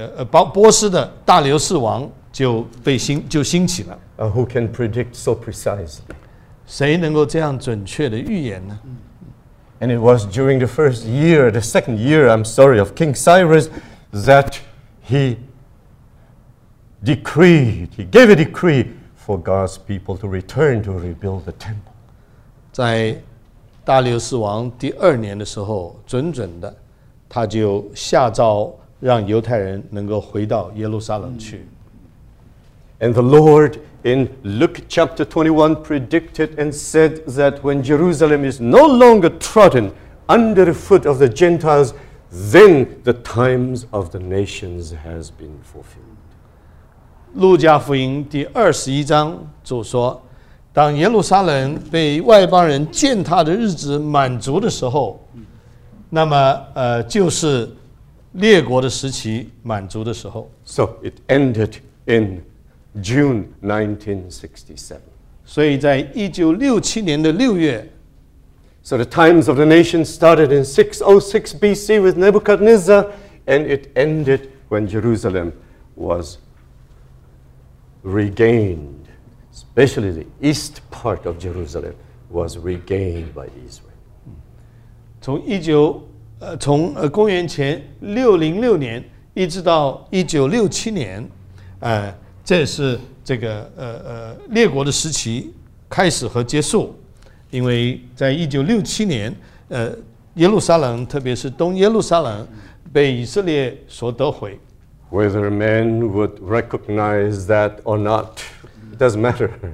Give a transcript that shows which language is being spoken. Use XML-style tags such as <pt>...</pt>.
<zh>波斯的大流士王就兴起了。</zh> <en>Who can predict so precisely?</en> <zh>谁能够这样准确的预言呢？</zh> <en>And it was during the first year, the second year, I'm sorry, of King Cyrus, that he gave a decree for God's people to return to rebuild the temple.</en> <zh>在大流士王第二年的时候，准准的。他就下诏让犹太人能够回到耶路撒冷去。</zh> <en>And the Lord in Luke chapter 21 predicted and said that when Jerusalem is no longer trodden under the foot of the Gentiles, then the times of the nations has been fulfilled.</en> <zh>路加福音第21章主说，当耶路撒冷被外邦人践踏的日子满足的时候，那么就是列国的时期满足的时候。</zh> <en>So it ended in June 1967.</en> <zh>所以在1967年的6月。</zh> <en>So the times of the nation started in 606 BC with Nebuchadnezzar, and it ended when Jerusalem was regained, especially the east part of Jerusalem was regained by Israel.</en> <zh>从公元前606年一直到1967年，这是这个列国的时期开始和结束。因为在1967年，耶路撒冷，特别是东耶路撒冷，被以色列所得回。</zh> <en>Whether men would recognize that or not, it doesn't matter.</en>